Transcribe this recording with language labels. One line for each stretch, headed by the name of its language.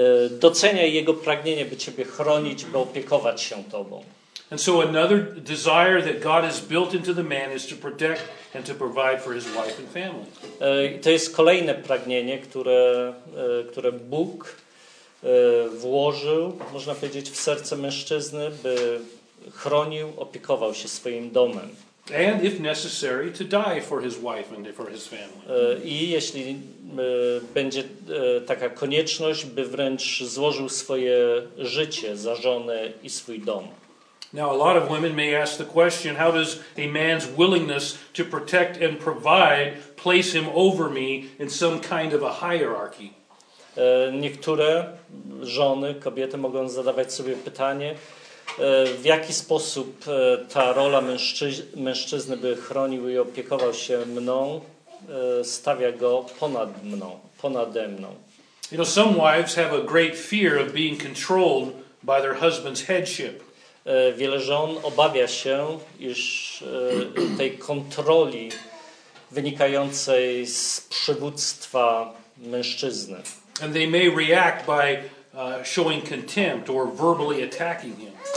Polish: Doceniaj jego pragnienie, by ciebie chronić, by opiekować się tobą.
English: And so another desire that God has built into the man is to protect and to provide for his wife and family.
Polish: To jest kolejne pragnienie, które Bóg włożył, można powiedzieć, w serce mężczyzny, by chronił, opiekował się swoim domem.
English: And if necessary, to die for his wife and for his family.
Polish: I jeśli będzie taka konieczność, by wręcz złożył swoje życie za żonę i swój dom.
English: Now a lot of women may ask the question, how does a man's willingness to protect and provide place him over me in some kind of a hierarchy?
Polish: Niektóre żony, kobiety mogą zadawać sobie pytanie, w jaki sposób ta rola mężczyzny, by chronił i opiekował się mną, stawia go ponad mną, ponade mną.
English: You know, some wives have a great fear of being controlled by their husband's headship.
Polish: Wiele żon obawia się, iż tej kontroli wynikającej z przywództwa mężczyzny.
English: And they may react by showing contempt or verbally attacking him.